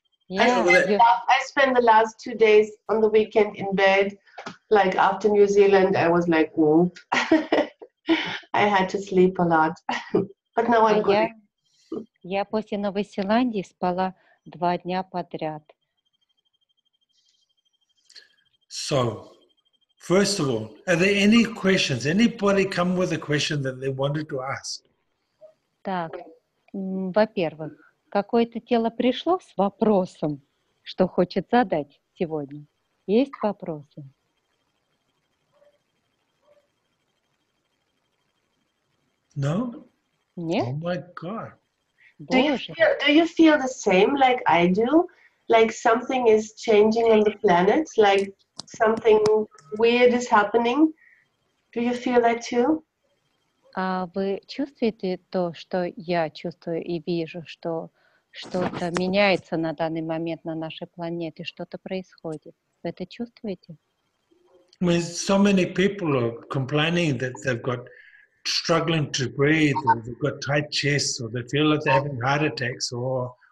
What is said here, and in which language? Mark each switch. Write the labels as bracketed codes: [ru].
[en] I spent the last 2 days on the weekend in bed, like after New Zealand, I was like, whoop. I had to sleep a lot. But now I'm good. [ru] Я после Новой Зеландии спала 2 дня подряд. [en] So, first of all, are there any questions? Anybody come with a question that they wanted to ask? [ru] Так, во-первых, какое-то тело пришло с вопросом, что хочет задать сегодня? Есть вопросы? [en] No? [ru] Нет? [en] Oh my God. Do you feel the same like I do? Like something is changing on the planet? Like something weird is happening? Do you feel that too? [ru] А вы чувствуете то, что я чувствую и вижу, что что-то меняется на данный момент на нашей планете, что-то происходит? Вы это чувствуете? [en] So many people are complaining that they've got struggling to breathe, or they've got tight chests, or they feel like they're having heart attacks, or.